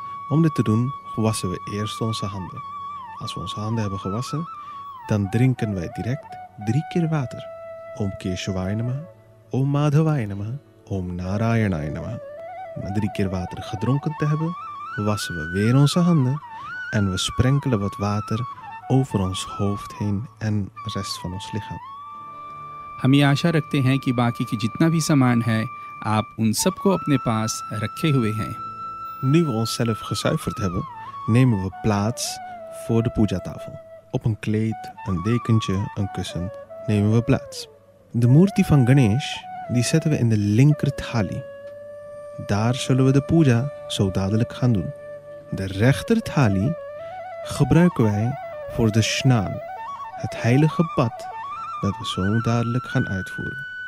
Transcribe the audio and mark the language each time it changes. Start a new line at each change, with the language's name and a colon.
Dutch: Om dit te doen, wassen we eerst onze handen. Als we onze handen hebben gewassen, dan drinken wij direct 3 keer water.
Sanskrit: Om Keshavaya Namah, Om Madhavaya Namah, Om Narayanaya Namah.
Dutch: Na 3 keer water gedronken te hebben, wassen we weer onze handen en we sprenkelen wat water over ons hoofd heen en de rest van ons lichaam.
Hindi: हम ये आशा रखते हैं कि बाकी के जितना भी सामान है, आप उन सब को अपने पास रखे हुए हैं।
Dutch: Nu we onszelf gezuiverd hebben, nemen we plaats voor de puja-tafel. Op een kleed, een dekentje, een kussen nemen we plaats. De murti van Ganesh, die zetten we in de linker thali. Daar zullen we de puja zo dadelijk gaan doen. De rechter thali gebruiken wij voor de snaan, het heilige bad dat we zo dadelijk gaan uitvoeren.